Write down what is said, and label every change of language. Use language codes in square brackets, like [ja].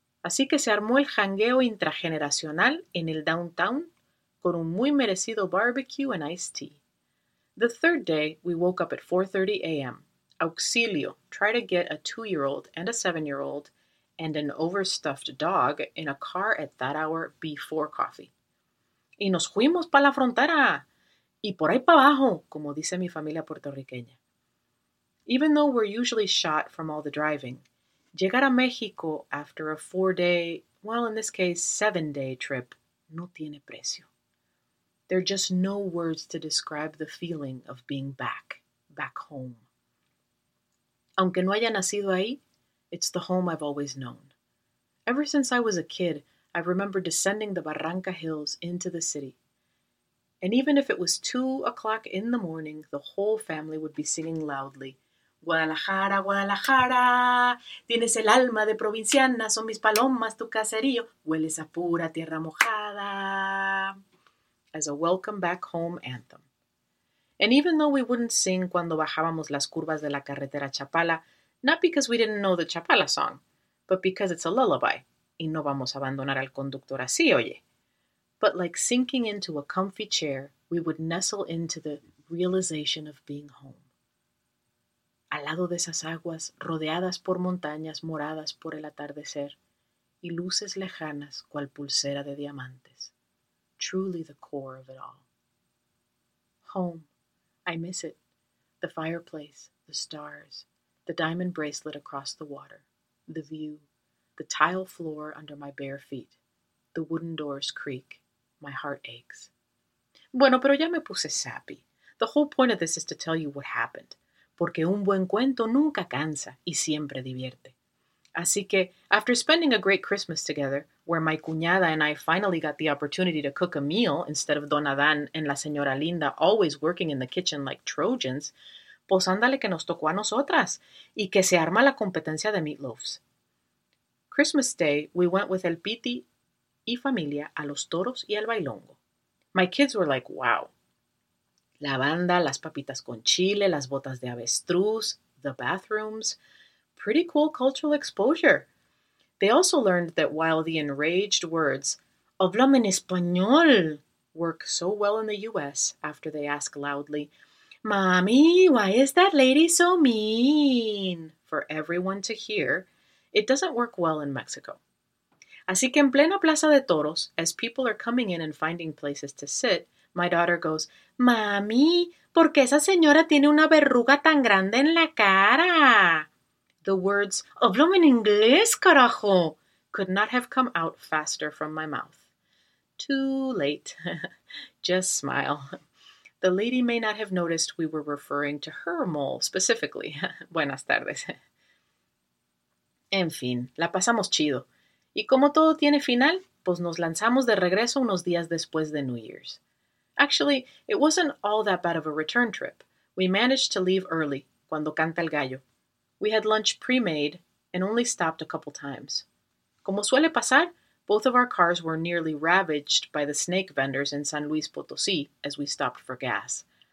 [es] Así que se armó el jangueo intrageneracional en el downtown con un muy merecido [en] barbecue and iced tea. The third day, we woke up at 4:30 a.m., auxilio, try to get a 2-year-old and a 7-year-old and an overstuffed dog in a car at that hour before coffee. [es] Y nos fuimos para la frontera. Y por ahí para abajo, como dice mi familia puertorriqueña. [en] Even though we're usually shot from all the driving, [es] llegar a México [en] after a 4-day, well, in this case, 7-day trip, [es] no tiene precio. [en] There are just no words to describe the feeling of being back, back home. [es] Aunque no haya nacido ahí, [en] it's the home I've always known. Ever since I was a kid, I remember descending the Barranca Hills into the city. And even if it was 2 o'clock in the morning, the whole family would be singing loudly, [es] Guadalajara, Guadalajara, tienes el alma de provinciana, son mis palomas tu caserío, hueles a pura tierra mojada, [en] as a welcome back home anthem. And even though we wouldn't sing [es] cuando bajábamos las curvas de la carretera Chapala, [en] not because we didn't know the Chapala song, but because it's a lullaby, [es] y no vamos a abandonar al conductor así, oye. [en] But like sinking into a comfy chair, we would nestle into the realization of being home. [es] Al lado de esas aguas, rodeadas por montañas moradas por el atardecer, y luces lejanas cual pulsera de diamantes. [en] Truly the core of it all. Home. I miss it. The fireplace, the stars, the diamond bracelet across the water, the view, the tile floor under my bare feet, the wooden doors creak, my heart aches. [es] Bueno, pero ya me puse sappy. [en] The whole point of this is to tell you what happened. [es] Porque un buen cuento nunca cansa y siempre divierte. Así que, [en] after spending a great Christmas together, where my cuñada and I finally got the opportunity to cook a meal instead of Don Adán and La Señora Linda always working in the kitchen like Trojans, [es] pues ándale que nos tocó a nosotras y que se arma la competencia de meatloafs. [en] Christmas Day, we went with El Piti [es] y familia a los toros y al bailongo. [en] My kids were like, wow. [es] La banda, las papitas con chile, las botas de avestruz, [en] the bathrooms. Pretty cool cultural exposure. They also learned that while the enraged words, [es] "Háblame en español," [en] work so well in the U.S. after they ask loudly, "Mommy, why is that lady so mean?" for everyone to hear, it doesn't work well in Mexico. [es] Así que en plena Plaza de Toros, [en] as people are coming in and finding places to sit, my daughter goes, [es] "Mami, ¿por qué esa señora tiene una verruga tan grande en la cara?" [en] The words, [es] "Háblame en inglés, carajo," [en] could not have come out faster from my mouth. Too late. Just smile. The lady may not have noticed we were referring to her mole specifically. [es] Buenas tardes. En fin, la pasamos chido. Y como todo tiene final, pues nos lanzamos de regreso unos días después de New Year's. [en] Actually, it wasn't all that bad of a return trip. We managed to leave early, [es] cuando canta el gallo. [en] We had lunch pre-made and only stopped a couple times. [es] Como suele pasar, [en] both of our cars were nearly ravaged by the snake vendors in San Luis Potosí as we stopped for gas.